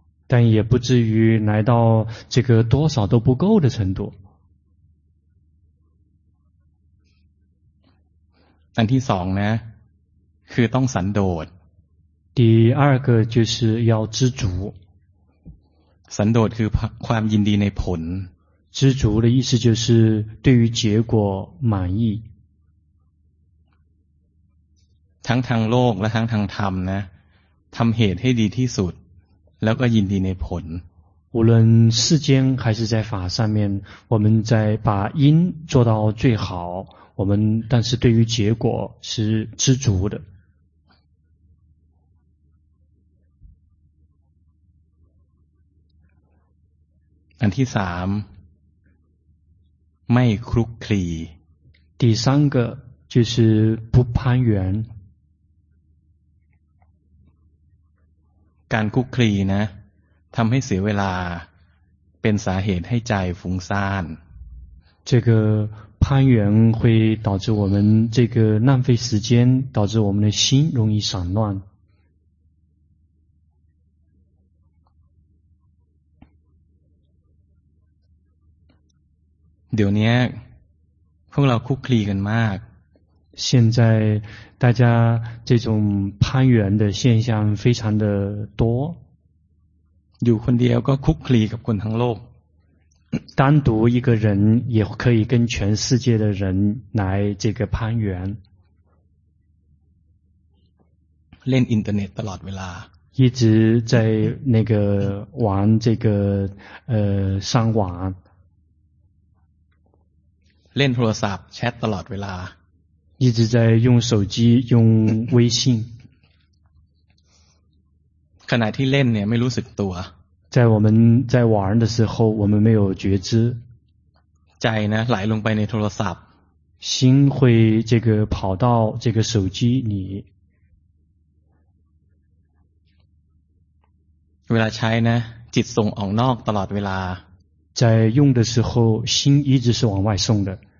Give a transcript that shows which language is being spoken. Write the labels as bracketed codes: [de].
[zh] 但也不至于来到这个多少都不够的程度 [th] อันที่สองนะคือต้องสันโดษ [zh] 第二个就是要知足 [th] สันโดษคือความยินดีในผล [zh] 知足的意思就是对于结果满意 [th] ทั้งทางโลกและทั้งทางธรรมนะทำเหตุให้ดีที่สุดแล้วก็ยินดีในผล [zh] 无论世间还是在法上面我们在把因做到最好我们但是对于结果是知足的 [th] อันที่สามไม่คลุกคลี [zh] 第三个就是不攀缘 [th] การคุกคลีนะทำให้เสียเวลาเป็นสาเหตุให้ใจฟุ้งซ่าน [zh] 这个攀缘会导致我们这个浪费时间导致我们的心容易散乱 [th] เดี๋ยวนี้พวกเราคุกคลีกันมาก [zh] 现在大家这种攀缘的现象非常的多 [th] อยู่คนเดียวก็คุกคลีกับคนทั้งโลก [zh] 单独一个人也可以跟全世界的人来这个攀缘 [th] เล่นอินเทอร์เน็ตตลอดเวลา [zh] 一直在那个玩这个上网 [th] เล่นโทรศัพท์แชทตลอดเวลา [zh] 一直在用手机用微信 [th] ขณะที่เล่นเนี่ยไม่รู้สึกตัว [zh] 在我们在玩的时候我们没有觉知 [th] ใจนะไหลลงไปในโทรศัพท์ [zh] 心会这个跑到这个手机里 [th] เวลาใช้นะจิตส่งออกนอกตลอดเวลา [zh] 在用的时候心一直是往外送的